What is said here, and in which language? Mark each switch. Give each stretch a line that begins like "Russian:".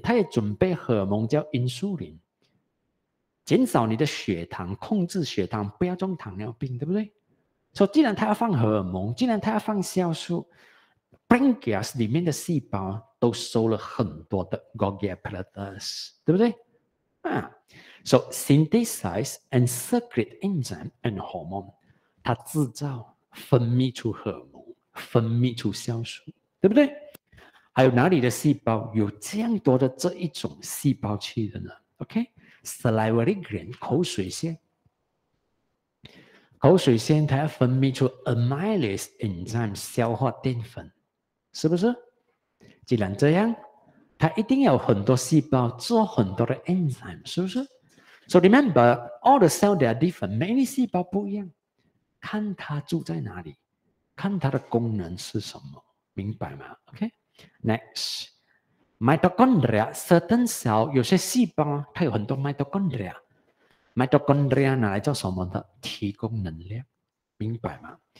Chinese: 它也准备荷尔蒙叫 insulin, 减少你的血糖，控制血糖，不要中糖尿病，对不对？所以，既然它要放荷尔蒙，既然它要放酵素 ，Brachias 里面的细胞都收了很多的 Golgi apparatus, 对不对？
English: 啊 ，so synthesize and secrete enzyme and hormone.
Chinese: 它制造、分泌出荷尔蒙，分泌出酵素。对不对？还有哪里的细胞有这样多的这一种细胞器的呢？ OK, salivary gland, 口水腺。口水腺它要分泌出 amylase enzyme, 消化淀粉。是不是？既然这样，它一定要有很多细胞做很多的 enzyme, 是不是？
English: So remember, all the cells are different, many
Chinese: 细胞不一样。看它住在哪里，看它的功能是什么。明白吗？OK, next, mitochondria,
English: certain cell,
Chinese: 有些细胞它有很多 mitochondria, mitochondria 拿来做什么的？提供能量，明白吗？